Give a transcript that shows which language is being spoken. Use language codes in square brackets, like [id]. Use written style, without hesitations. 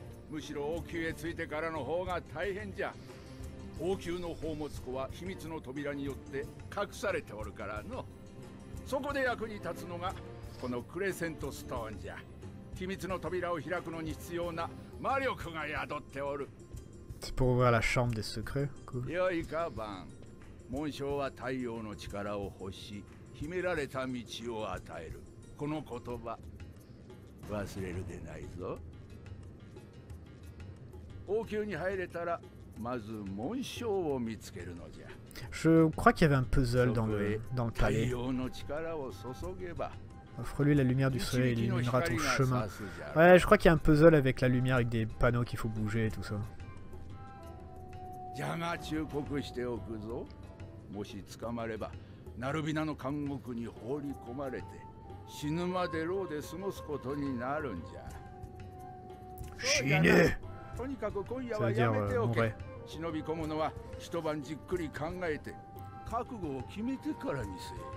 [ja] むしろ王宮へ着いてからの方が大変じゃ。王宮の宝物庫は秘密の扉によって隠されておるからの。そこで役に立つのがこのクレセントストーンじゃ。秘密の扉を開くのに必要な魔力が宿っておる。 [fr] C'est pour ouvrir la chambre des secrets. [ja] よいかばん。紋章は太陽の力を欲し、秘められた道を与える。この言葉忘れるでないぞ。王宮に入れたらまず紋章を見つけるのじゃ。 [fr] Je crois qu'il y avait un puzzle dans le palais. [ja] 太陽の力を注げば。 [fr] Offre-lui la lumière du soleil, il illuminera ton chemin. Ouais, je crois qu'il y a un puzzle avec la lumière, avec des panneaux qu'il faut bouger et tout ça. [ja] じゃが忠告しておくぞ。もし捕まれば、ナルビナの監獄に放り込まれて。死ぬまで牢で過ごすことになるんじゃ。死ね。とにかく今夜はやめておけ。忍び込むのは一晩じっくり考えて覚悟を決めてからにせ。